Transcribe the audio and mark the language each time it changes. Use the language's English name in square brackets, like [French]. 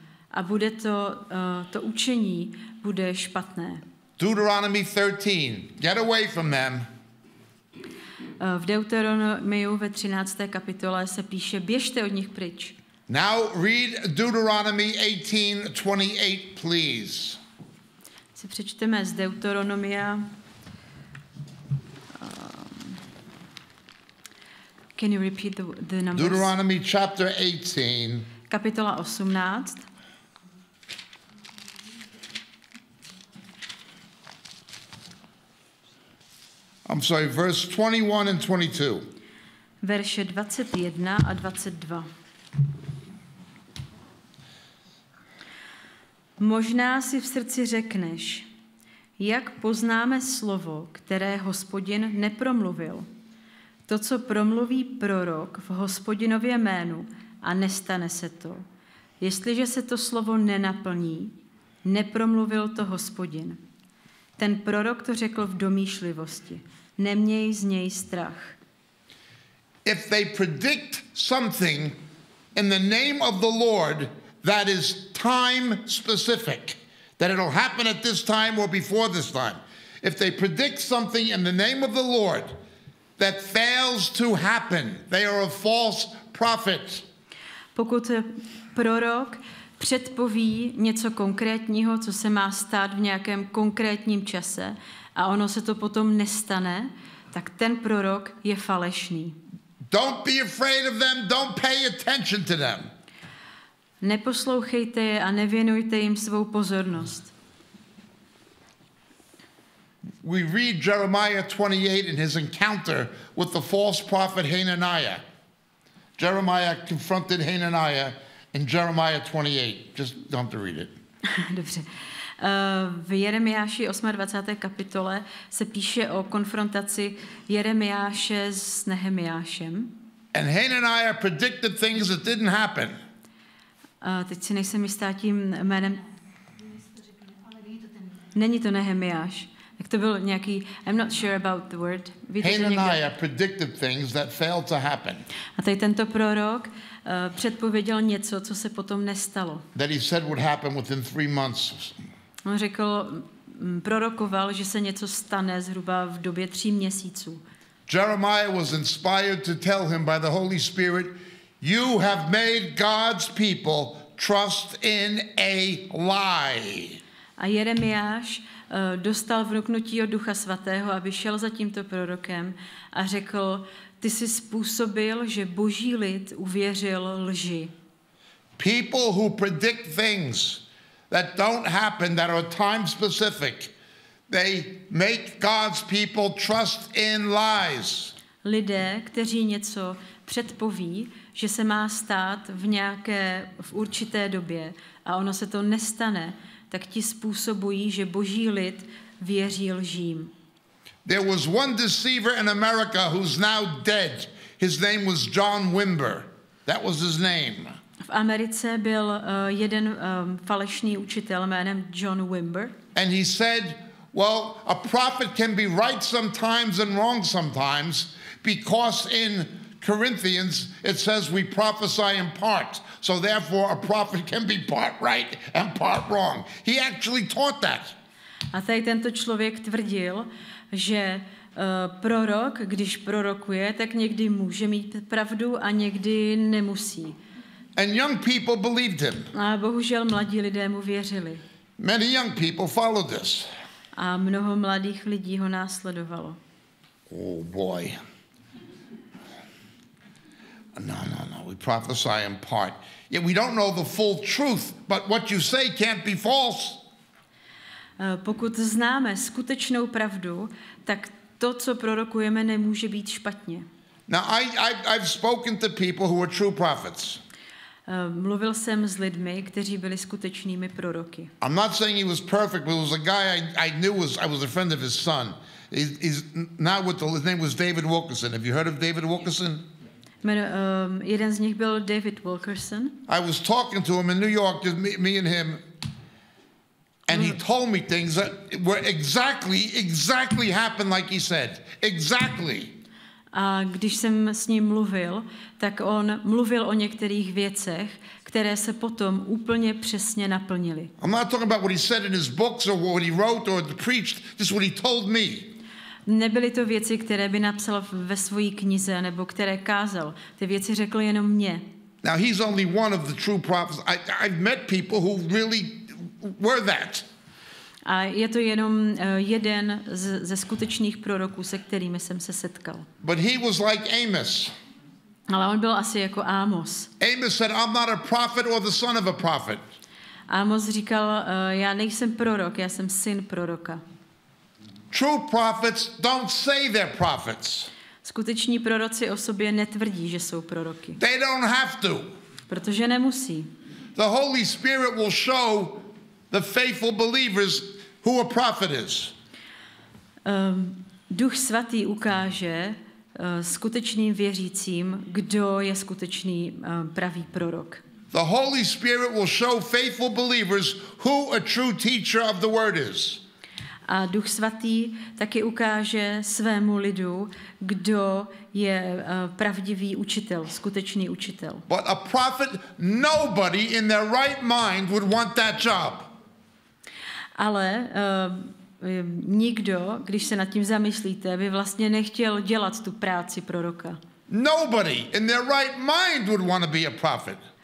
[Czech] A bude to, to učení bude špatné. [English] Deuteronomy 13, get away from them. [Czech] V Deuteronomiu ve 13. kapitole se píše, běžte od nich pryč. [English] Now read Deuteronomy 18:28, please. [Czech] Si přečteme z Deuteronomia. [English] Can you repeat the numbers? Deuteronomy chapter 18. [Czech] Kapitola 18. [English] I'm sorry, verse 21 and 22. [Czech] Verše 21 a 22. Možná si v srdci řekneš, jak poznáme slovo, které Hospodin nepromluvil. To, co promluví prorok v Hospodinově jménu a nestane se to, jestliže se to slovo nenaplní, nepromluvil to Hospodin. Ten prorok to řekl v domýšlivosti. Neměj z něj strach. [English] If they predict something in the name of the Lord that is time specific, that it'll happen at this time or before this time, if they predict something in the name of the Lord that fails to happen, they are a false prophet. [Czech] Pokud prorok předpoví něco konkrétního, co se má stát v nějakém konkrétním čase, a ono se to potom nestane, tak ten prorok je falešný. [English] Don't be afraid of them, don't pay attention to them. [Czech] Neposlouchejte je a nevěnujte jim svou pozornost. [English] We read Jeremiah 28 in his encounter with the false prophet Hananiah. Jeremiah confronted Hananiah in Jeremiah 28. Just don't have to read it. [Czech] Dobře. V Jeremiáši 28. kapitole se píše o konfrontaci Jeremiáše s Nehemiášem. [English] And Hananiah predicted things that didn't happen. [Czech] Teď si nejsem jistá tím jménem. Není to Nehemiáš. Tak to byl nějaký, [English] I'm not sure about the word. Hananiah predicted things that failed to happen. [Czech] A tady tento prorok předpověděl něco, co se potom nestalo. [English] That he said would happen within 3 months. [Czech] On řekl, prorokoval, že se něco stane zhruba v době 3 měsíců. [English] Jeremiah was inspired to tell him by the Holy Spirit, you have made God's people trust in a lie. [Czech] A Jeremiáš dostal vnuknutí od Ducha Svatého a vyšel za tímto prorokem a řekl, ty jsi způsobil, že boží lid uvěřil lži. [English] People who predict things that don't happen, that are time specific, they make God's people trust in lies. [Czech] Lidé, kteří něco předpoví, že se má stát v nějaké, v určité době a ono se to nestane, tak ti způsobují, že boží lid věří lžím. [English] There was one deceiver in America who's now dead. His name was John Wimber. That was his name. [Czech] V Americe byl jeden falešný učitel jménem John Wimber. [English] And he said, well, a prophet can be right sometimes and wrong sometimes because in Corinthians it says we prophesy in part. So therefore a prophet can be part right and part wrong. He actually taught that. [Czech] A tady tento člověk tvrdil, že prorok, když prorokuje, tak někdy může mít pravdu a někdy nemusí. [English] And young people believed him. [Czech] A bohužel mladí lidé mu věřili. [English] Many young people followed this. [Czech] A mnoho mladých lidí ho následovalo. [English] Oh boy. No, we prophesy in part. Yeah, we don't know the full truth, but what you say can't be false. [Czech] Pokud známe skutečnou pravdu, tak to, co prorokujeme, nemůže být špatně. [English] Now, I've spoken to people who are true prophets. [Czech] Mluvil jsem s lidmi, kteří byli skutečnými proroky. [English] I'm not saying he was perfect, but it was a guy I knew, I was a friend of his son. He's now with the, his name was David Wilkerson. Have you heard of David Wilkerson? [Czech] Jeden z nich byl David Wilkerson. [English] I was talking to him in New York, me and him, and he told me things that were exactly happened like he said. Exactly. [Czech] A když jsem s ním mluvil, tak on mluvil o některých věcech, které se potom úplně přesně naplnily. [English] I'm not talking about what he said in his books or what he wrote or preached, just what he told me. [Czech] Nebyly to věci, které by napsal ve své knize nebo které kázal. Ty věci řekl jenom mně. [English] Now he's only one of the true prophets. I've met people who really were that. [Czech] A je to jenom jeden ze skutečných proroků, se kterými jsem se setkal. [English] But he was like Amos. [Czech] Ale on byl asi jako Amos. [English] Amos said, "I'm not a prophet or the son of a prophet." [Czech] Amos říkal, já nejsem prorok, já jsem syn proroka. [English] True prophets don't say they're prophets. [Czech] Skuteční proroci o sobě netvrdí, že jsou proroky. [English] They don't have to. [Czech] Protože nemusí. [English] The Holy Spirit will show the faithful believers who a prophet is. [Czech] Duch svatý ukáže skutečným věřícím, kdo je skutečný pravý prorok. [English] The Holy Spirit will show faithful believers who a true teacher of the word is. [Czech] A Duch svatý taky ukáže svému lidu, kdo je pravdivý učitel, skutečný učitel. [English] But a prophet, nobody in their right mind would want that job. [Czech] Ale nikdo, když se nad tím zamyslíte, by vlastně nechtěl dělat tu práci proroka. [English] Nobody in their right mind would want to be a prophet.